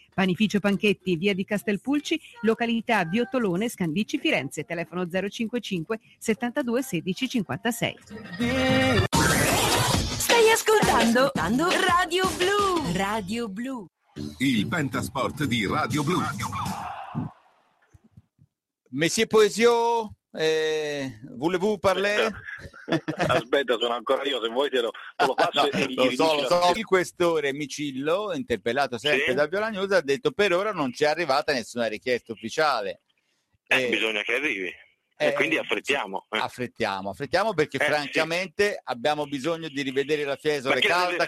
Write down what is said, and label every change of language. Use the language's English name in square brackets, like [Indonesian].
[Italian] Panificio Panchetti, via di Castelpulci, località Viottolone, Scandicci, Firenze, telefono 055 72 16 56. Ascoltando Radio Blu. Radio Blu, il pentasport di Radio Blu. [French] Messie Poesio, voulez-vous parler? [Italian] Aspetta, sono ancora io, se vuoi il questore Micillo, interpellato sempre da Viola News, ha detto per ora non c'è arrivata nessuna richiesta ufficiale. Bisogna che arrivi. E quindi affrettiamo. Affrettiamo perché francamente abbiamo bisogno di rivedere la Fiesole calda.